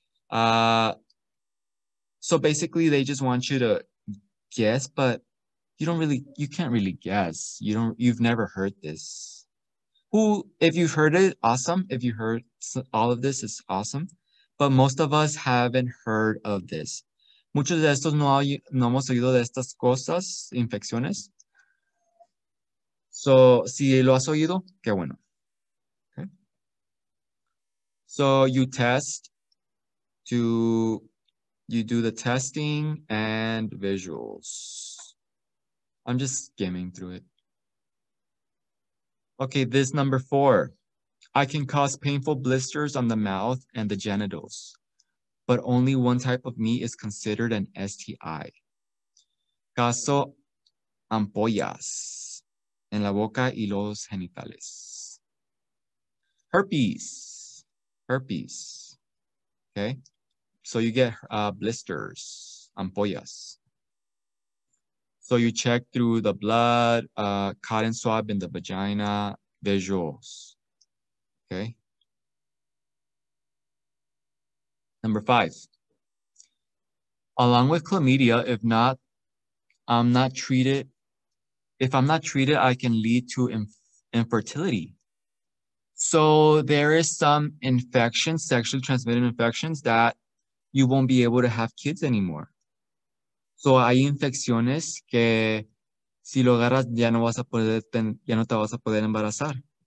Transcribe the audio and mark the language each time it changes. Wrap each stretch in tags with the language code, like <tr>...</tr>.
<en>So basically they just want you to guess, but you can't really guess. You've never heard this. If you've heard it, awesome. If you heard all of this, it's awesome. But most of us haven't heard of this.</en> <es>Muchos de estos no hemos oído de estas cosas, infecciones. So, si lo has oído, qué bueno. Okay.</es> <en>So, you do the testing and visuals. I'm just skimming through it. Okay, this number four. I can cause painful blisters on the mouth and the genitals, but only one type of meat is considered an STI.</en> <es>Caso ampollas en la boca y los genitales.</es> <en>Herpes, okay? So you get blisters, ampollas. So you check through the blood, cotton swab in the vagina, visuals, okay? Number five, along with chlamydia, if I'm not treated, I can lead to infertility. So there is some infections, sexually transmitted infections that you won't be able to have kids anymore.</en> <es>So hay infecciones que si lo agarras ya no te vas a poder embarazar.</es>